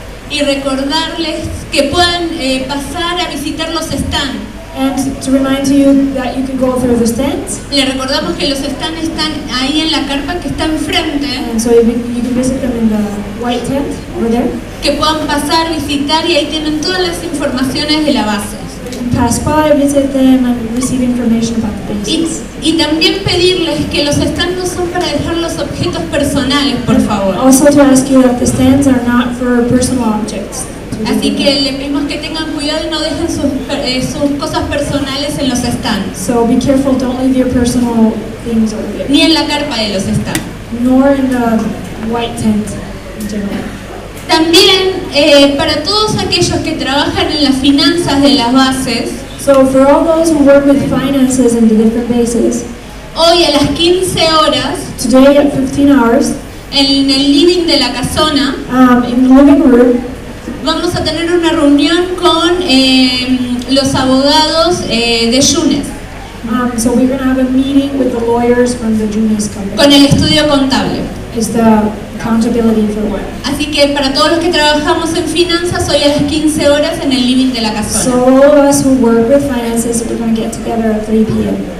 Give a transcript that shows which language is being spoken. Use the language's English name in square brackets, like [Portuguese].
[Spanish] Y recordarles que puedan pasar a visitar los stands. [English] And to remind you that you can go through the stands. [Spanish] Le recordamos que los stands están ahí en la carpa que está enfrente. [English] And so you can visit them in the white tent over there. [Spanish] Que puedan pasar, visitar y ahí tienen todas las informaciones de la base. [English] Pass by, visit them and receive information about the bases. [Spanish] Y también pedirles que los stands no son para dejar los objetos personales, por favor. [English] Also to ask you that the stands are not for personal objects. [Spanish] Así que le pedimos que tengan cuidado y no dejen sus cosas personales en los stands. [English] So be careful, don't leave your personal things over there. [Spanish] Ni en la carpa de los stands. [English] Nor in the white tent in general. [Spanish] También para todos aquellos que trabajan en las finanzas de las bases. [English] So for all those who work with finances in the different bases. [Spanish] Hoy a las 15 horas. [English] Today at 15 hours. [Spanish] En el living de la casona. [English] In the living room. [Spanish] Vamos a tener una reunión con los abogados de Junes. [English] So we're going to have a meeting with the lawyers from the Junes company. [Spanish] Con el estudio contable. [English] It's the accountability for what? [Spanish] Así que para todos los que trabajamos en finanzas, hoy a las 15 horas en el living de la casona. [English] So all of us who work with finances, we're going to get together at 3 p.m.